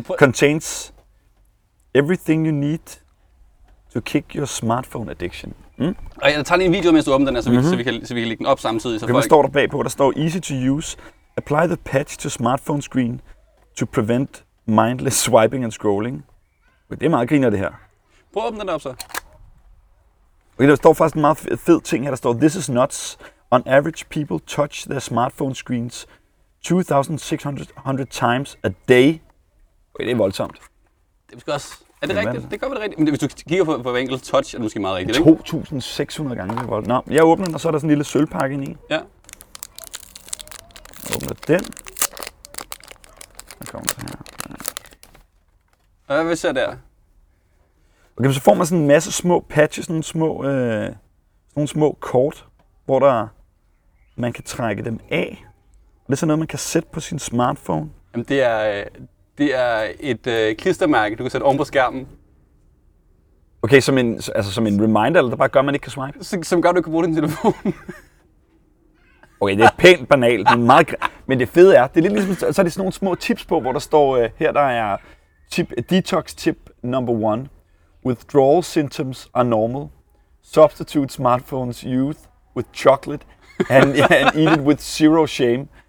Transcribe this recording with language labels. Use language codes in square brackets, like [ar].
[en] Contains everything you need to kick your smartphone addiction. [da] Mm? Og jeg tager lige en video, mens du åbner den her, så vi kan lægge den op samtidig. Hvad står der bagpå? Der står [en] easy to use. Apply the patch to smartphone screen to prevent mindless swiping and scrolling. [da] Okay, det er meget griner, det her. Prøv at åbne den op, så. Okay, der står faktisk en meget fed ting her. Der står, [en] this is nuts. On average, people touch their smartphone screens 2,600 times a day. [da] Okay, det er voldsomt. Det er også. Er det rigtigt? Det gør vel rigtigt. Men hvis du kigger på hver enkelt touch, er det måske meget rigtigt, ikke? 2,600 gange er voldsomt. Nå, jeg åbner den, og så er der sådan en lille sølvpakke ind i. Ja. Jeg åbner den. Der kommer den her. Ja. Hvad ser der? Okay, så får man sådan en masse små patches, nogle små, små kort, hvor der man kan trække dem af. Og det er sådan noget, man kan sætte på sin smartphone. Jamen, det er et klistermærke, du kan sætte oven på skærmen. Okay, som en, altså, som en reminder, eller der bare gør, at man ikke kan swipe? Som gør, at du kan bruge din telefon. Okay, det er pænt banalt, men, meget, men det fede er, det er lidt ligesom, så er det sådan nogle små tips på, hvor der står, her der er tip, [en] detox tip number one. Withdrawal symptoms are normal. Substitute smartphones use with chocolate and eat it with zero shame.